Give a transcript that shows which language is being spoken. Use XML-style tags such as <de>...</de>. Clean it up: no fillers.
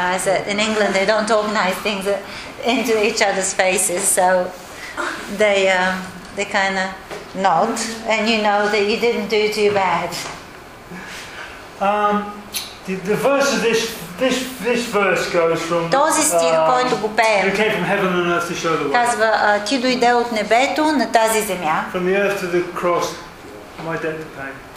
<en>I said, in England, they don't talk nice things into each other's faces, so they kind of nod, and you know that you didn't do too bad. The verse of this verse goes from.</en> <bg>Този стих, който го пее.</bg> <en>You came from heaven and earth to show the way.</en> <bg>Казва, ти дойде от небето на тази земя.</bg> <en>From the earth to the cross, my debt to pay.</en>